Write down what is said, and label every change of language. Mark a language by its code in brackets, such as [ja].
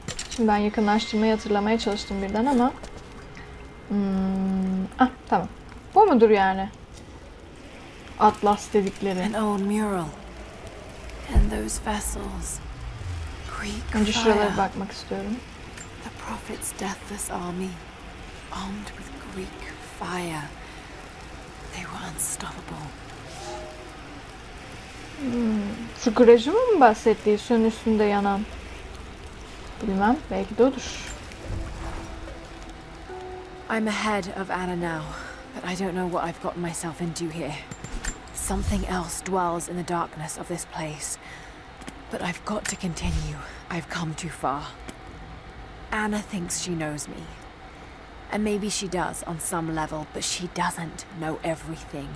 [tr] Şimdi ben yakınlaştırmayı hatırlamaya çalıştım birden ama... tamam. Bu mudur yani? Atlas dedikleri. [en] An old mural. And those vessels. Greek [tr] fire. Önce şuralara bakmak istiyorum. [en] The prophet's deathless army, armed with Greek fire. They were unstoppable. [tr] Şu kreji mi bahsettiği suyun üstünde yanan? Bilmem, belki de odur. [en] I'm ahead of Anna now, but I don't know what I've gotten myself into here. Something else dwells in the darkness of this place. But I've got to continue. I've come too far. Anna thinks she knows me. And maybe she does on some level, but she doesn't know everything.